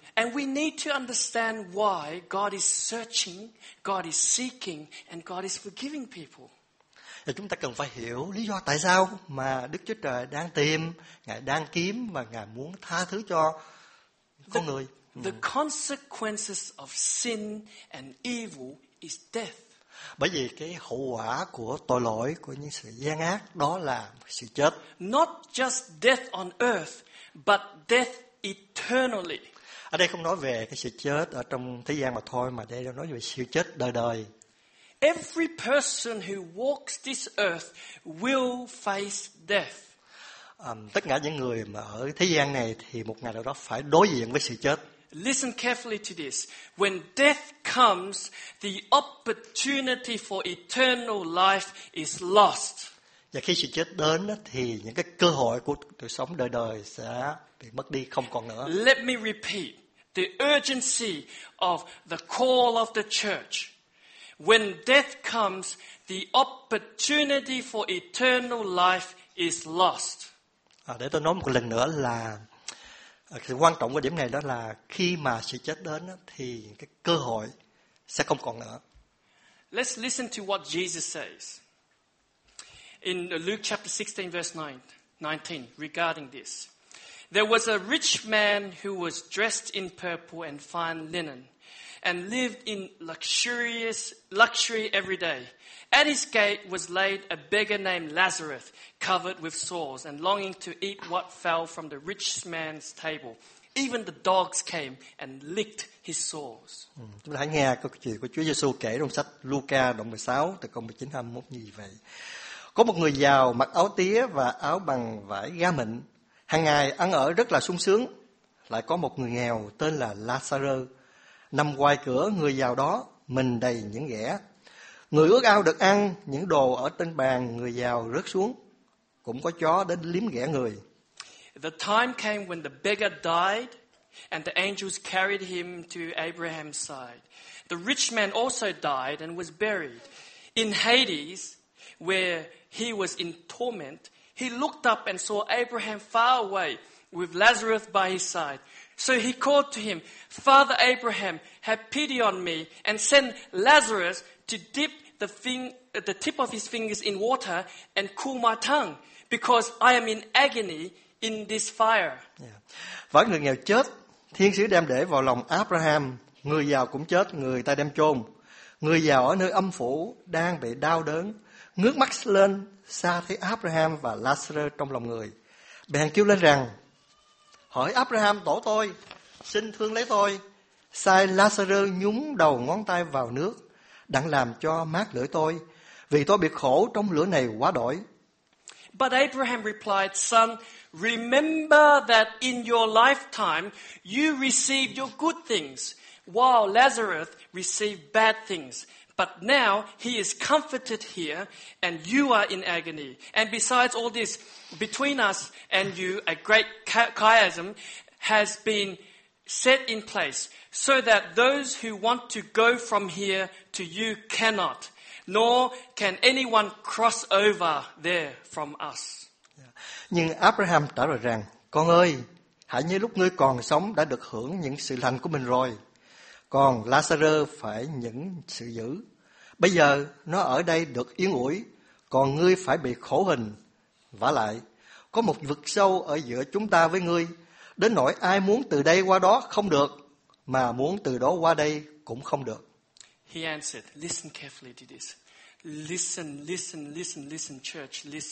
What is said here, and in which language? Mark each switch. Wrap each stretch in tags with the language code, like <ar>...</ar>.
<en>And we need to understand why God is searching, God is seeking, and God is forgiving people.</en> <vi>Thì chúng ta cần phải hiểu lý do tại sao mà Đức Chúa Trời đang tìm, Ngài đang kiếm và Ngài muốn tha thứ cho con người.</vi> <en>The consequences of sin and evil is death.</en> <vi>Bởi vì cái hậu quả của tội lỗi, của những sự gian ác đó là sự chết.</vi> <en>Not just death on earth, but death eternally.</en> <vi>Ở đây không nói về cái sự chết ở trong thế gian mà thôi, mà đây là nói về sự chết đời đời.</vi> <en>Every person who walks this earth will face death.</en> <vi>Tất cả những người mà ở thế gian này thì một ngày nào đó phải đối diện với sự chết.</vi> <en>Listen carefully to this. When death comes, the opportunity for eternal life is lost.</en> <vi>Và khi sự chết đến thì những cái cơ hội của đời sống đời đời sẽ bị mất đi không còn nữa.</vi> <en>Let me repeat the urgency of the call of the church. When death comes, the opportunity for eternal life is lost.</en> <vi>Để tôi nói một lần nữa là sự quan trọng của điểm này đó là khi mà sự chết đến thì cái cơ hội sẽ không còn nữa.</vi> <en>Let's listen to what Jesus says in Luke chapter 16 verse 19 regarding this. There was a rich man who was dressed in purple and fine linen and lived in luxury every day. At his gate was laid a beggar named Lazarus, covered with sores and longing to eat what fell from the rich man's table. Even the dogs came and licked his sores.</en> <vi>Chúng ta hãy nghe câu chuyện của Chúa Giêsu kể trong sách Luca đoạn 16 từ câu 19 đến 21 như vậy. Có một người giàu mặc áo tía và áo bằng vải da mịn, hàng ngày ăn ở rất là sung sướng. Lại có một người nghèo tên là Lazarus nằm ngoài cửa người giàu đó, mình đầy những ghẻ. Người ước ao được ăn, những đồ ở trên bàn người giàu rớt xuống. Cũng có chó đến liếm ghẻ người.</vi> <en>The time came when the beggar died, and the angels carried him to Abraham's side. The rich man also died and was buried. In Hades, where he was in torment, he looked up and saw Abraham far away with Lazarus by his side. So he called to him, Father Abraham, have pity on me and send Lazarus to dip the tip of his fingers in water and cool my tongue because I am in agony in this fire.</en> <vi>Và người nghèo chết, thiên sứ đem để vào lòng Abraham, người giàu cũng chết, người ta đem chôn. Người giàu ở nơi âm phủ đang bị đau đớn, ngước mắt lên xa thấy Abraham và Lazarus trong lòng người. Bèn kêu lên rằng, hỏi Abraham tổ tôi, xin thương lấy tôi, sai Lazarus nhúng đầu ngón tay vào nước, đặng làm cho mát lưỡi tôi, vì tôi bị khổ trong lửa này quá đỗi.</vi> <en>But Abraham replied, son, remember that in your lifetime you received your good things, while Lazarus received bad things. But now he is comforted here, and you are in agony. And besides all this, between us and you, a great chasm has been set in place so that those who want to go from here to you cannot, nor can anyone cross over there from us.</en> <vi>Nhưng Abraham trả lời rằng, con ơi, hãy nhớ lúc ngươi còn sống đã được hưởng những sự lành của mình rồi. Còn Lazarus phải những sự dữ. Bây giờ nó ở đây được yên ủi, còn ngươi phải bị khổ hình. Vả lại, có một vực sâu ở giữa chúng ta với ngươi, đến nỗi ai muốn từ đây qua đó không được, mà muốn từ đó qua đây cũng không được.</vi> <en>He answered, listen carefully to this. Listen, church.</en>